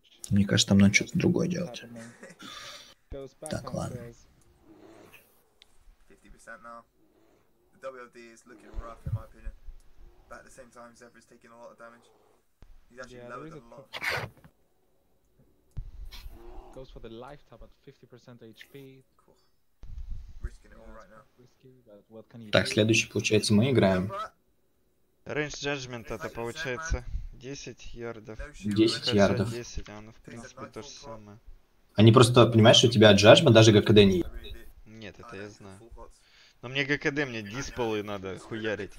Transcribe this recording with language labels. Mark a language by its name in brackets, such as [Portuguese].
[Russian] Мне кажется, там надо что-то другое делать. Так, ладно. [English] Now. The WLD is looking rough in my opinion. But at the same time, Zephyr's taking a lot of damage. He's actually lowered a lot. Goes for the life tap at 50% HP. Cool. Risking it all right now. Risky, but what can you так, do? [Russian] Следующий получается мы играем. Range judgment это получается 10 ярдов. 10 ярдов. 10, оно в принципе то же самое. Они просто понимаешь, что у тебя judgment даже ГКД не есть. Нет, это я знаю. Но мне ГКД, мне дисполы надо хуярить.